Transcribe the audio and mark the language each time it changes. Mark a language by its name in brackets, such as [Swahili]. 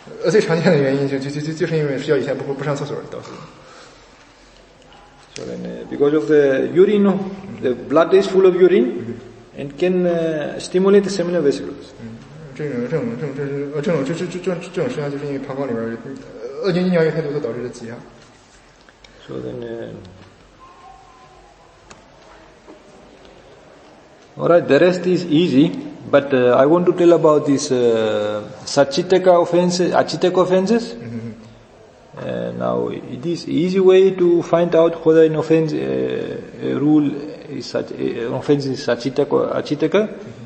[Chinese] 最常见的原因就是因为睡觉以前不上厕所导致的。 [English] So then, because of the urine, the blood is full of urine, and can stimulate the seminal vesicles. [Chinese] 这种实际上就是因为膀胱里边恶心尿液太多所导致的积压。 [English] So then, alright, the rest is easy, but I want to tell about this sacitteka offenses, acitteka offenses. Now, it is easy way to find out whether an offense, a rule is such, an offense is sacitteka or acitteka.